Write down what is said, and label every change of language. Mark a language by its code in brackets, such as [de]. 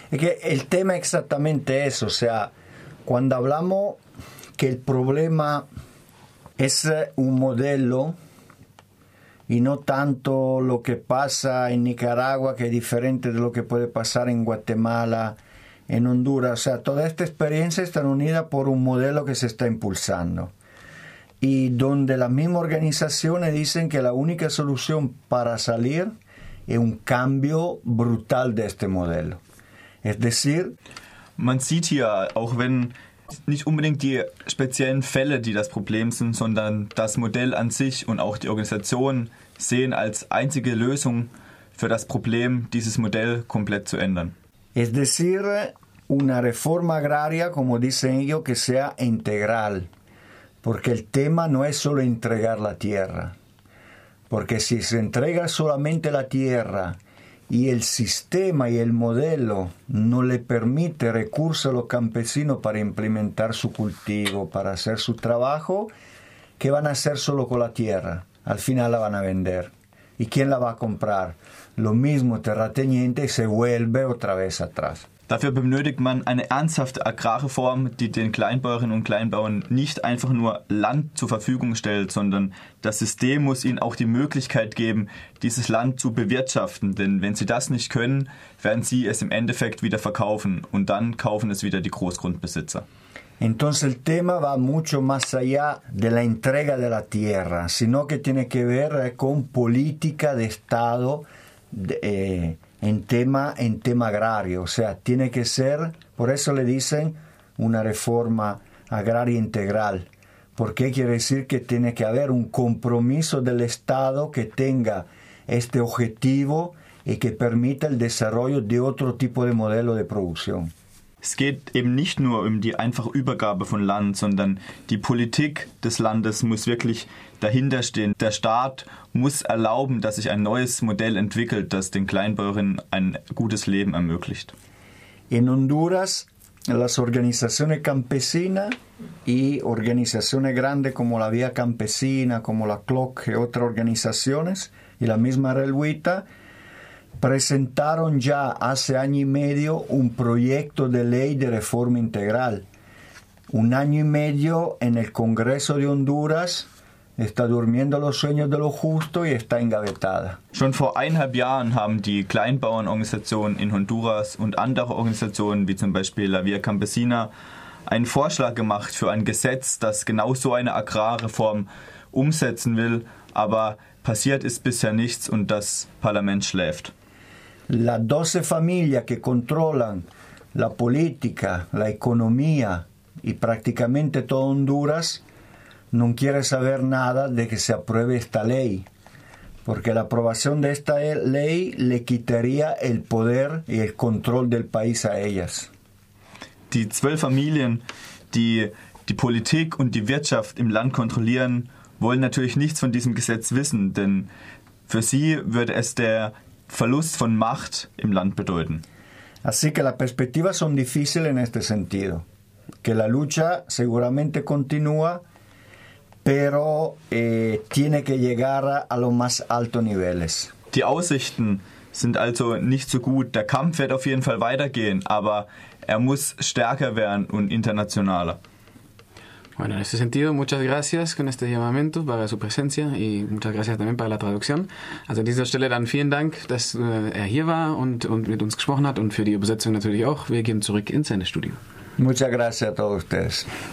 [es] Es que el tema es exactamente eso. O sea, cuando hablamos que el problema es un modelo y no tanto lo que pasa en Nicaragua, que es diferente de lo que puede pasar en Guatemala, en Honduras. O sea, toda esta experiencia está unida por un modelo que se está impulsando. Y donde las mismas organizaciones dicen que la única solución para salir es un cambio brutal de este modelo. Es decir, [de] man sieht hier, auch wenn nicht unbedingt die speziellen Fälle, die das Problem sind, sondern das Modell an sich und auch die Organisationen sehen als einzige Lösung für das Problem, dieses Modell komplett zu ändern. [es] Es decir, una reforma agraria, como dicen ellos, que sea integral. Porque el tema no es solo entregar la tierra. Porque si se entrega solamente la tierra y el sistema y el modelo no le permite recursos a los campesinos para implementar su cultivo, para hacer su trabajo, ¿qué van a hacer solo con la tierra? Al final la van a vender. ¿Y quién la va a comprar? Lo mismo terrateniente se vuelve otra vez atrás. [de] Dafür benötigt man eine ernsthafte Agrarreform, die den Kleinbäuerinnen und Kleinbauern nicht einfach nur Land zur Verfügung stellt, sondern das System muss ihnen auch die Möglichkeit geben, dieses Land zu bewirtschaften. Denn wenn sie das nicht können, werden sie es im Endeffekt wieder verkaufen und dann kaufen es wieder die Großgrundbesitzer. [es] Entonces el tema va mucho más allá de la entrega de la tierra, sino que tiene que ver con política de Estado en tema agrario. O sea, tiene que ser, por eso le dicen una reforma agraria integral, porque quiere decir que tiene que haber un compromiso del Estado que tenga este objetivo y que permita el desarrollo de otro tipo de modelo de producción. [de] Es geht eben nicht nur um die einfache Übergabe von Land, sondern die Politik des Landes muss wirklich dahinter stehen. Der Staat muss erlauben, dass sich ein neues Modell entwickelt, das den Kleinbäuerinnen ein gutes Leben ermöglicht. [es] In Honduras, las organizaciones campesinas y organizaciones grandes como la Vía Campesina, como la CLOC y otras organizaciones y la misma Reluita, presentaron ya hace año y medio un proyecto de ley de reforma integral. Un año y medio en el Congreso de Honduras está durmiendo los sueños de lo justo y está engavetada. [de] Schon vor eineinhalb Jahren haben die Kleinbauernorganisationen in Honduras und andere Organisationen, wie zum Beispiel La Vía Campesina, einen Vorschlag gemacht für ein Gesetz, das genau so eine Agrarreform umsetzen will, aber passiert ist bisher nichts und das Parlament schläft. [es] Las 12 familias que controlan la política, la economía y prácticamente todo Honduras no quiere saber nada de que se apruebe esta ley, porque la aprobación de esta ley le quitaría el poder y el control del país a ellas. [de] Die 12 Familien, die die Politik und die Wirtschaft im Land kontrollieren, wollen natürlich nichts von diesem Gesetz wissen, denn für sie würde es der Verlust von Macht im Land bedeuten. [es] Así que las perspectivas son difíciles en este sentido. Que la lucha seguramente continúa, pero tiene que llegar a los más altos niveles. [de] Die Aussichten sind also nicht so gut. Der Kampf wird auf jeden Fall weitergehen, aber er muss stärker werden und internationaler. [es] Bueno, en ese sentido, muchas gracias con este llamamiento para su presencia y muchas gracias también para la traducción. [de] Also an dieser Stelle dann vielen Dank, dass er hier war und mit uns gesprochen hat und für die Übersetzung natürlich auch. Wir gehen zurück ins Sendestudio. [es] Muchas gracias a todos ustedes.